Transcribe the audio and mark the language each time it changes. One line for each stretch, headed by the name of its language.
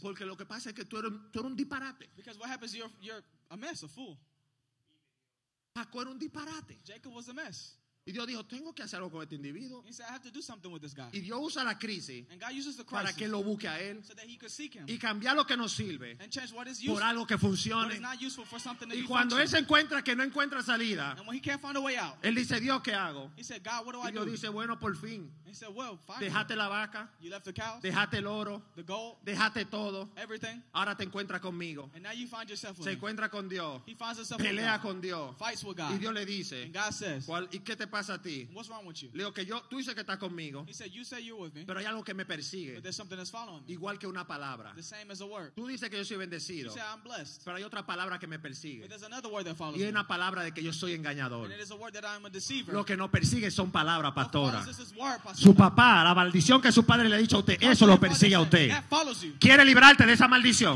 Spanish: Porque lo que pasa es que tú eres un disparate.
English: Because what happens, you're a mess, a fool.
Spanish: Paco era un disparate.
English: Jacob was a mess.
Spanish: Y Dios dijo, tengo que hacer algo con este individuo.
English: He said, I have to do something with this guy.
Spanish: Y Dios usa la crisis,
English: and God uses the crisis,
Spanish: para que lo busque a él,
English: so that he could seek him,
Spanish: y cambiar lo que no sirve,
English: and change what is useful,
Spanish: por algo que funcione.
English: What is not useful for something to
Spanish: y cuando
English: function.
Spanish: Él se encuentra que no encuentra salida,
English: and when he can't find a way out,
Spanish: él dice, Dios, ¿qué hago?
English: He said, God, what do
Spanish: y Dios dice, bueno, por fin.
English: He said, well, finally,
Spanish: dejaste la vaca.
English: You left the cows,
Spanish: dejaste el oro.
English: The gold,
Spanish: dejaste todo.
English: Everything,
Spanish: ahora te encuentras conmigo.
English: And now you find yourself with
Spanish: se encuentra
English: him.
Spanish: Con Dios.
English: He finds himself
Spanish: pelea
English: with God.
Spanish: Con Dios.
English: Fights with God.
Spanish: Y Dios le dice,
English: and God says,
Spanish: ¿cuál, ¿y qué te pasa a ti?
English: What's wrong with you?
Spanish: Le digo que yo, tú dices que estás conmigo.
English: He said, you say you're with me,
Spanish: pero hay algo que me persigue.
English: But there's something that's following me.
Spanish: Igual que una palabra.
English: The same as a word.
Spanish: Tú dices que yo soy bendecido.
English: You say, I'm blessed.
Spanish: Pero hay otra palabra que me persigue.
English: But there's another word that follows
Spanish: y
English: me.
Spanish: Y es una palabra de que yo soy engañador.
English: And it is a word that I'm a deceiver.
Spanish: Lo que nos persigue son palabras, pastora.
English: What follows this is word, pastora.
Spanish: Su papá, la maldición que su padre le ha dicho a usted, eso lo persigue a usted.
English: That follows you.
Spanish: ¿Quiere librarte de esa maldición?